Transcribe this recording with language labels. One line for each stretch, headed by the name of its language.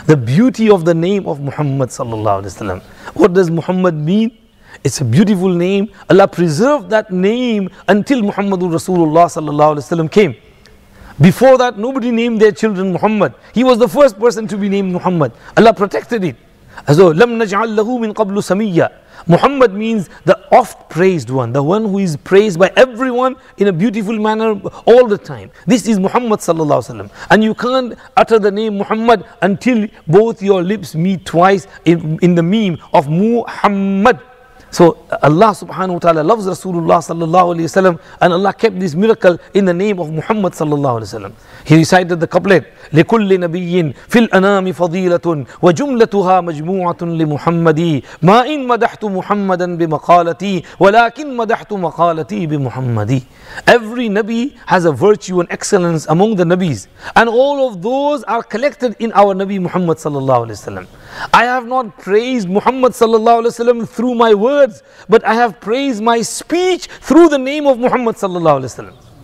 English: The beauty of the name of Muhammad sallallahu alayhi wa sallam. What does Muhammad mean? It's a beautiful name. Allah preserved that name until Muhammadur Rasulullah sallallahu alayhi wa sallam came. Before that, nobody named their children Muhammad. He was the first person to be named Muhammad. Allah protected it. As though,
Arabic: لَمْ نَجْعَلْ لَهُ مِنْ قَبْلُ سَمِيَّ.
English: Muhammad means the oft-praised one, the one who is praised by everyone in a beautiful manner all the time. This is Muhammad sallallahu alaihi wasallam. And you can't utter the name Muhammad until both your lips meet twice in the meme of Muhammad. So Allah subhanahu wa ta'ala loves Rasulullah sallallahu alaihi wasallam, and Allah kept this miracle in the name of Muhammad sallallahu alaihi wasallam. He recited the couplet,
Arabic: لِكُلِّ نَبِيٍّ فِي الْأَنَامِ فَضِيلَةٌ وَجُمْلَتُهَا مَجْمُوعَةٌ لِمُحَمَّدِي مَا إِن مَدَحْتُ مُحَمَّدًا بِمَقَالَتِي وَلَكِن مَدَحْتُ مَقَالَتِي بِمُحَمَّدِي.
English: Every Nabi has a virtue and excellence among the Nabis, and all of those are collected in our Nabi Muhammad sallallahu alaihi wasallam. I have not praised Muhammad sallallahu alaihi wasallam through my words, but I have praised my speech through the name of Muhammad sallallahu alaihi wasallam.